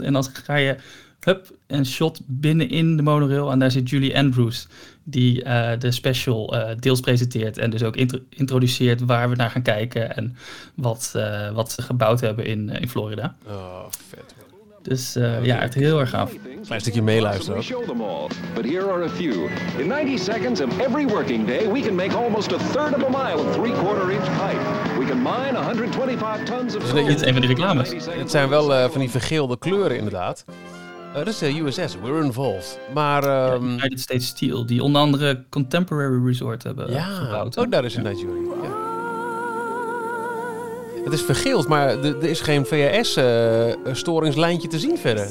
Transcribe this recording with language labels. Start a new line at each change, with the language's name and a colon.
Dutch: En dan ga je hup en shot binnenin de monorail. En daar zit Julie Andrews. Die de special deels presenteert. En dus ook introduceert waar we naar gaan kijken. En wat ze gebouwd hebben in Florida. Oh, vet. Dus ja, het is heel erg gaaf. Een stukje meeluisteren.
English: Show them all, but here are a few. In 90 seconds of every working day, we can make almost a third of a mile of 3/4-inch pipe. We can mine 125 tons of.
Dutch: Dit is een van die reclames. Het zijn wel van die vergeelde kleuren inderdaad. Dat is de USS.
English: We're involved.
Dutch: Maar United States Steel, die onder andere Contemporary Resort hebben gebouwd. Ook daar is een Nigeria. Ja. Het is vergeeld, maar er is geen VHS-storingslijntje te zien verder.